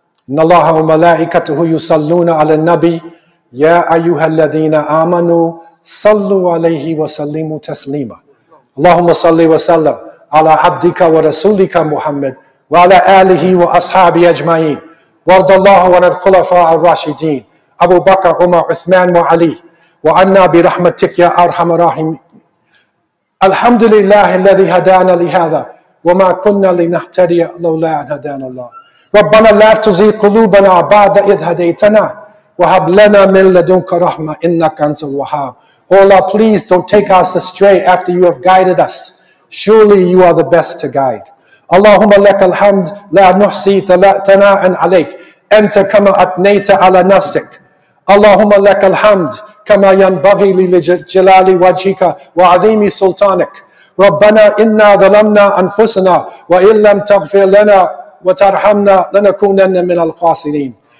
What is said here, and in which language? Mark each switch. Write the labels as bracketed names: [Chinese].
[Arabic] إن الله وملائكته يصلون على النبي يا أيها الذين آمنوا صلوا عليه وسلموا تسليما اللهم صل وسلم على عبدك ورسولك محمد وعلى آله وأصحابه أجمعين وارض الله عن الخلفاء الراشدين أبو بكر عمر عثمان وعلي وعنا برحمتك يا أرحم الراحمين الحمد لله الذي هدانا لهذا وما كنا لنهتدي لولا أن هدانا الله ربنا لا تزغ قلوبنا بعد إذ هديتنا وهب لنا من لدنك رحمة إنك أنت الوهاب. [English] Oh Allah, please don't take us astray after you have guided us. Surely you are the best to guide. [Arabic] اللهم لك الحمد لا نحصي ثناء عليك أنت كما أثنيت على نفسك. اللهم لك الحمد كما ينبغي لجلال وجهك وعظيم سلطانك. ربنا إنا ظلمنا أنفسنا وإن لم تغفر لنا وترحمنا لنكونن من الخاسرين.